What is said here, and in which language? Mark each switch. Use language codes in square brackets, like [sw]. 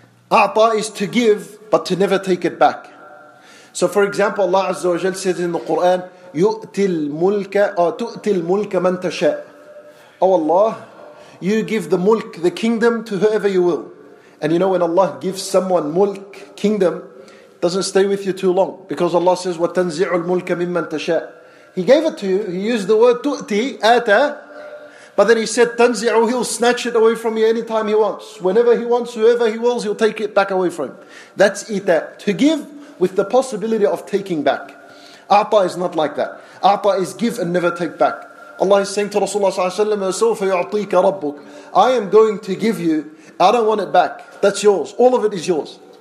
[en] A'ta is to give, but to never take it back. So for example, Allah Azza wa Jal says in the Quran, [ar] تُؤْتِ الْمُلْكَ مَنْ تَشَاءُ. [en] Oh Allah, you give the mulk, the kingdom, to whoever you will. And you know when Allah gives someone mulk, kingdom, it doesn't stay with you too long. Because Allah says, [ar] وَتَنْزِعُ الْمُلْكَ مِمَّنْ تَشَاءُ. [en] He gave it to you, He used the word تُؤْتِ, آتَى. But then He said, تَنْزِعُ, He'll snatch it away from you anytime He wants. Whenever He wants, whoever He wills, He'll take it back away from you. That's إِتَى, to give with the possibility of taking back. A'ta is not like that. A'ta is give and never take back. Allah is saying to Rasulullah SAW, I am going to give you, I don't want it back. That's yours. All of it is yours.